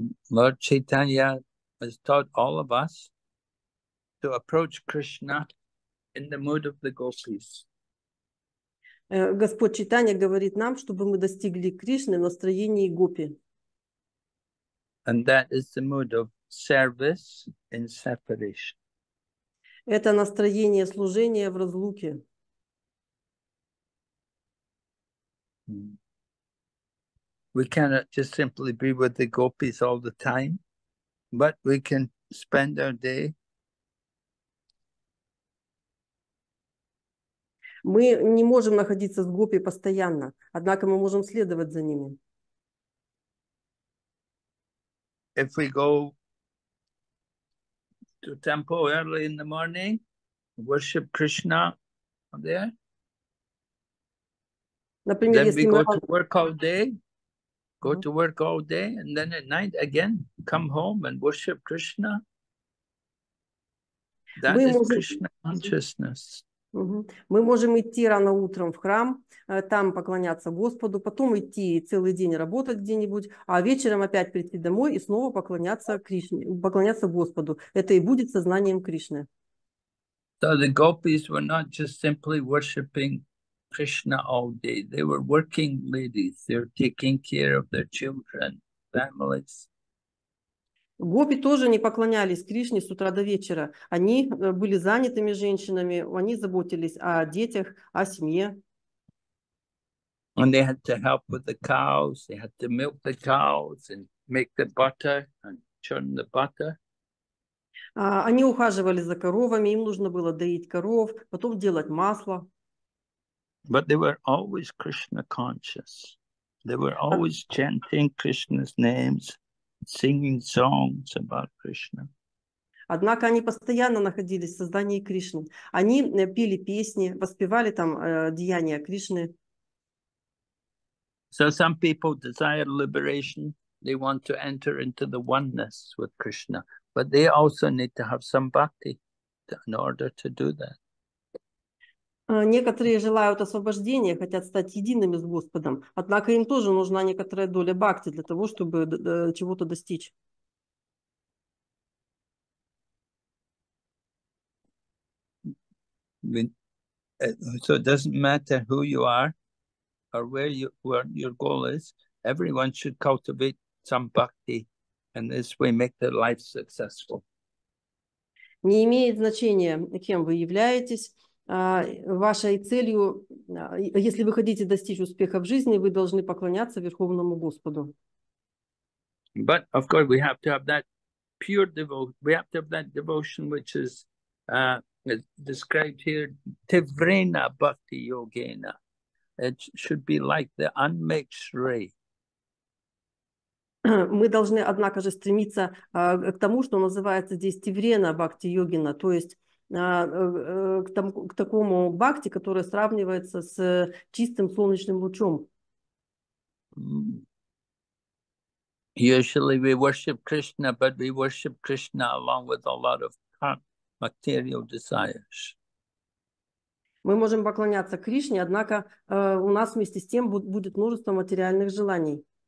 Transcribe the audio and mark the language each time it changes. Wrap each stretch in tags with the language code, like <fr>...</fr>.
<en>Lord Chaitanya has taught all of us to approach Krishna in the mood of the gopis.</en> <ru>Господь Чайтанья говорит нам, чтобы мы достигли Кришны в настроении гопи.</ru> <en>And that is the mood of service in separation.</en> <ru>Это настроение служения в разлуке.</ru> <en>We cannot just simply be with the gopis all the time, but we can spend our day.</en> <ru>Мы не можем находиться с гопи постоянно, однако мы можем следовать за ними.</ru> <en>If we go to temple early in the morning, worship Krishna there.</en> <ru>Например,</ru> <en>then we go to work all day, go to work all day, and then at night again come home and worship Krishna. That is Krishna consciousness.</en> <ru>Мы можем идти рано утром в храм, там поклоняться Господу, потом идти целый день работать где-нибудь, а вечером опять прийти домой и снова поклоняться Кришне, поклоняться Господу. Это и будет сознанием Кришны.</ru> <en>So the gopis were not just simply worshipping Krishna all day. They were working ladies. They were taking care of their children, families.</en> <ru>Гопи тоже не поклонялись Кришне с утра до вечера. Они были занятыми женщинами, они заботились о детях, о семье.</ru> <en>And they had to help with the cows, they had to milk the cows and make the butter and churn the butter.</en> <ru>Они ухаживали за коровами, им нужно было доить коров, потом делать масло.</ru> <en>But they were always Krishna conscious. They were always chanting Krishna's names. Singing songs about Krishna.</en> <ru>Однако они постоянно находились в сознании Кришны. Они пели песни, воспевали там деяния Кришны.</ru> <en>So some people desire liberation. They want to enter into the oneness with Krishna. But they also need to have some bhakti in order to do that.</en> <ru>Некоторые желают освобождения, хотят стать едиными с Господом. Однако им тоже нужна некоторая доля бхакти для того, чтобы чего-то достичь.</ru> <en>So it doesn't matter who you are or where you, where your goal is. Everyone should cultivate some bhakti, and this way make their life successful.</en> <ru>Не имеет значения, кем вы являетесь. Вашей целью, если вы хотите достичь успеха в жизни, вы должны поклоняться Верховному Господу.</ru> <en>But of course we have to have that pure devotion. We have to have that devotion, which is described here, tivrena bhakti yogena. It should be like the unmixed ray.</en> <ru>Мы должны, однако же, стремиться к тому, что называется здесь тиврена бхакти йогина, то есть к такому бхакти, которая сравнивается с чистым солнечным лучом.</ru> <en>Usually we worship Krishna, but we worship Krishna along with a lot of material desires.</en> <ru>Мы можем поклоняться Кришне, однако у нас вместе с тем будет множество материальных желаний.</ru>